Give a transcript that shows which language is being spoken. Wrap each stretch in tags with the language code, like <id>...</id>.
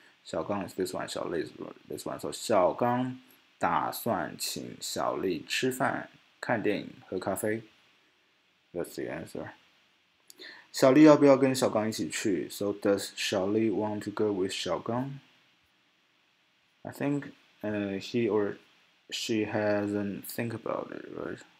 <en>小刚 is this one, 小丽 is this one. So,</en> <zh>小刚打算请小丽吃饭, 看电影,喝咖啡.</zh> <en>That's the answer.</en> <zh>小丽要不要跟小刚一起去?</zh> <en>So, does 小丽 want to go with 小刚? I think he or she hasn't think about it, right?</en>